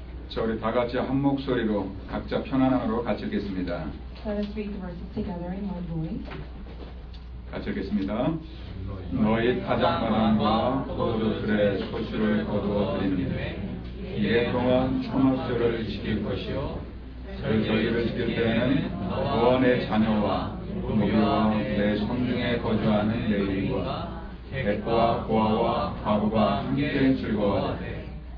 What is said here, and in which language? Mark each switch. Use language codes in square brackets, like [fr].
[ko] 자, 우리 다 같이 한 목소리로 각자 편안함으로 같이 읽겠습니다. [en] Let us read the verses together in one voice. [ko] 같이 읽겠습니다. 너희 타작마당과 포도주들의 소출을 거두어 드리니 이에 동안 초막절을 지킬 것이요 절기를 지킬 때에는 고원의 자녀와 부유와 내 성중에 거주하는 레위인과 객과 고아와 과부가 함께 즐거워하되